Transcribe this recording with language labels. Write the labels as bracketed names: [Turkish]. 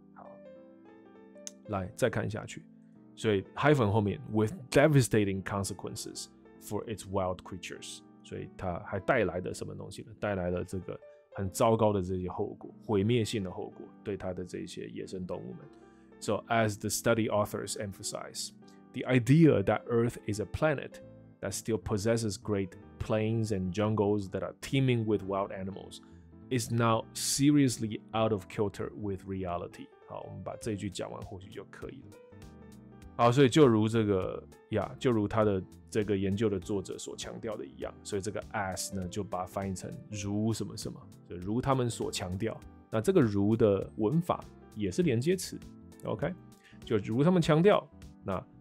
[Chinese] 好，来再看下去，所以 hyphen 后面 [English] with devastating consequences for its wild creatures， [Chinese] 所以它还带来的什么东西呢？带来了这个很糟糕的这些后果，毁灭性的后果，对它的这些野生动物们。 [English] So as the study authors emphasize。 The idea that Earth is a planet that still possesses great plains and jungles that are teeming with wild animals is now seriously out of kilter with reality. [Chinese] 好，我们把这一句讲完，或许就可以了。好，所以就如这个呀，就如他的这个研究的作者所强调的一样，所以这个 as 呢，就把它翻译成如什么什么，就如他们所强调。那这个如的文法也是连接词 ，OK， 就如他们强调那。